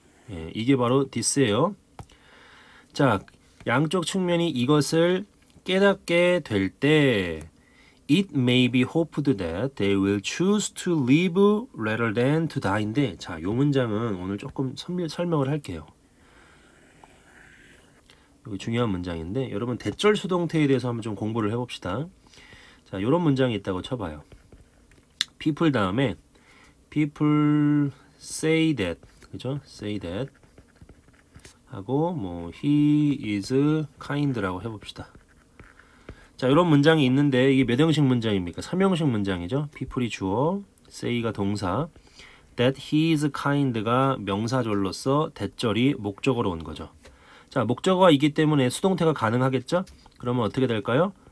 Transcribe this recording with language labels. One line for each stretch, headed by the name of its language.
Korean: 예, 이게 바로 this예요. 자, 양쪽 측면이 이것을 깨닫게 될 때,
English: it may be hoped that they will choose to live rather than to die
Korean: 인데, 자, 요 문장은 오늘 조금 설명을 할게요. 여기 중요한 문장인데, 여러분 대절 수동태에 대해서 한번 좀 공부를 해봅시다. 자, 이런 문장이 있다고 쳐봐요.
English: People
Korean: 다음에
English: people say that,
Korean: 그죠?
English: Say that
Korean: 하고 뭐
English: he is kind
Korean: 라고 해봅시다. 자, 이런 문장이 있는데 이게 몇 형식 문장입니까? 3형식 문장이죠. People이 주어, say가 동사,
English: that he is kind
Korean: 가 명사절로서 대절이 목적으로 온 거죠. 자, 목적어이기 때문에 수동태가 가능하겠죠? 그러면 어떻게 될까요?